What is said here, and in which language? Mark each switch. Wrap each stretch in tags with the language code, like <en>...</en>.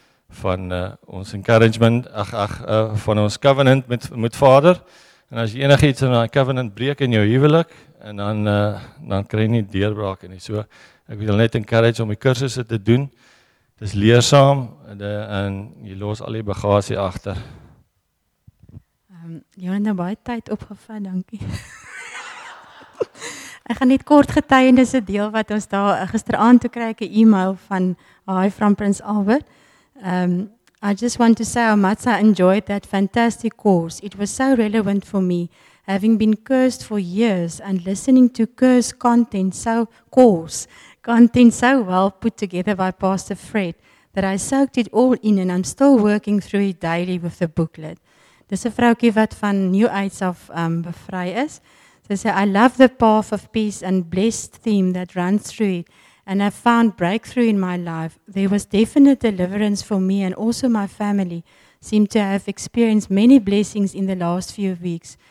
<af>van ons encouragement, van ons covenant met Vader, en as jy enig iets in die covenant breek in jou huwelik, en dan kry jy nie deurbraak nie, so ek wil net encourage om die kursusse te doen, het is leersaam, en jy los al die bagasie achter. Jy het nou baie tyd opgevat, dankie. Ek gaan net kort getuienis een deel wat ons daar gisteraand toe kry, een e-mail van</af> <en>hi from</en> <af>Prins Albert.</af> <en>I just want to say how much I enjoyed that fantastic course. It was so relevant for me, having been cursed for years and listening to curse content so well put together by Pastor Fred, that I soaked it all in and I'm still working through it daily with the booklet.</en> <af>Dis 'n vroukie wat van New AIDS af bevry is. Sy sê,</af> <en>I love the path of peace and blessed theme that runs through it, and I found breakthrough in my life. There was definite deliverance for me, and also my family seemed to have experienced many blessings in the last few weeks.</en>